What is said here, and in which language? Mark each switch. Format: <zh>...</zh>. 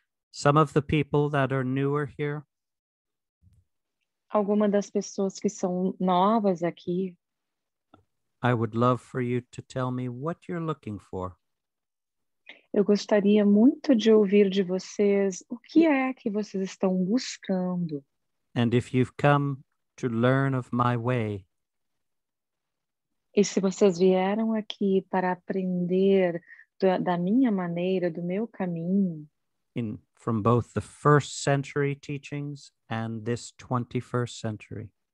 <en>Some of the people that are newer here.</en> <pt>Alguma das pessoas que são novas aqui.</pt> <en>I would love for you to tell me what you're looking for.</en> <pt>Eu gostaria muito de ouvir de vocês o que é que vocês estão buscando.</pt> <en>And if you've come to learn of my way.</en> <pt>E se vocês vieram aqui para aprender da minha maneira, do meu caminho.</pt> <en>From both the first century teachings and this 21st century.</en>